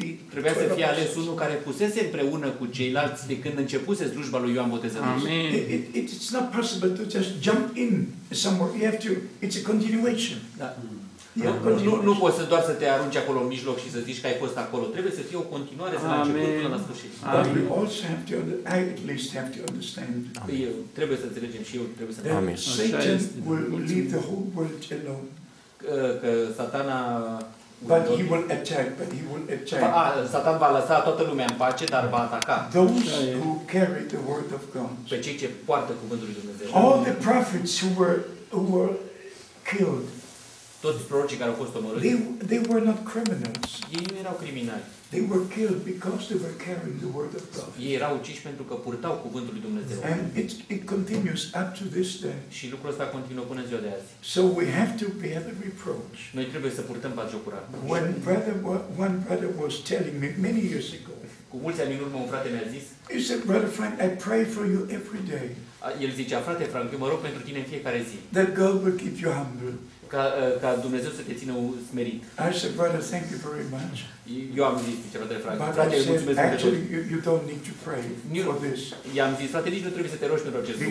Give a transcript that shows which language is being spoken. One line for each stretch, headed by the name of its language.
Romanian: Trebuia să fie ales unul care pusese împreună cu ceilalți de când începuse slujba lui Ioan Botezătorul. Amen.
English: It's not possible to just jump in somewhere. You have to. It's a continuation.
Romanian: Da. Nu poți să doar să te arunci acolo în mijloc și să zici că ai fost acolo. Trebuie să fie o continuare să începutul până la sfârșit.
English: Amen. But we also have to, I at least have to understand.
Romanian: Eu trebuie să înțelegem și eu trebuie să. Amen.
English: Satan will leave the whole world alone.
Romanian: Că Satana.
English: But he will attack. But he will attack.
Romanian: Satan va lăsa toată lumea în pace, dar va ataca.
English: Those who carry the word of God.
Romanian: Pe cei ce poartă cuvântul lui Dumnezeu.
English: All the prophets who were killed.
Romanian: toți prorocii care au fost omorâți.
English: They were not criminals.
Romanian: Ei nu erau criminali.
English: They were killed because they were carrying the word of God.
Romanian: Ei erau uciși pentru că purtau cuvântul lui Dumnezeu.
English: And it continues up to this day.
Romanian: Și lucrul ăsta continuă până ziua de azi.
English: So we have to bear the reproach.
Romanian: Noi trebuie să purtăm batjocura.
English: One brother was telling me many years ago.
Romanian: Cu mulți ani în urmă un frate mi-a zis.
English: He said, brother Frank, I pray for you every day.
Romanian: El zicea, frate Frank, eu mă rog pentru tine în fiecare zi.
English: That God will keep you humble.
Romanian: Ca Dumnezeu să te țină smerit.
English: I said, brother, thank you very much.
Romanian: Eu am zis, zice, frate Frank, frate, eu mulțumesc pentru
English: tot. You don't need to pray for this.
Romanian: I-am zis, frate, nici nu trebuie să te rogi pentru acest lucru.